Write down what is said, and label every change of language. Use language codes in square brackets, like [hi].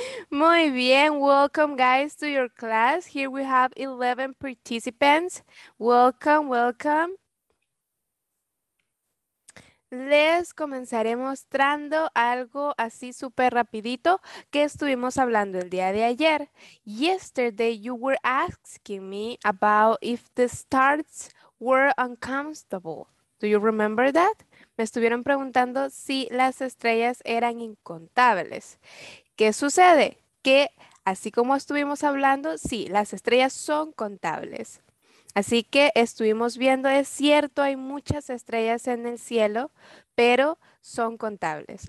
[es] Muy bien. [en] Welcome, guys, to your class. Here we have 11 participants. Welcome, welcome. [es] Les comenzaré mostrando algo así súper rapidito que estuvimos hablando el día de ayer. [en] Yesterday you were asking me about if the starts were uncomfortable. Do you remember that? [es] Me estuvieron preguntando si las estrellas eran incontables. ¿Qué sucede? Que así como estuvimos hablando, sí, las estrellas son contables. Así que estuvimos viendo, es cierto, hay muchas estrellas en el cielo, pero son contables.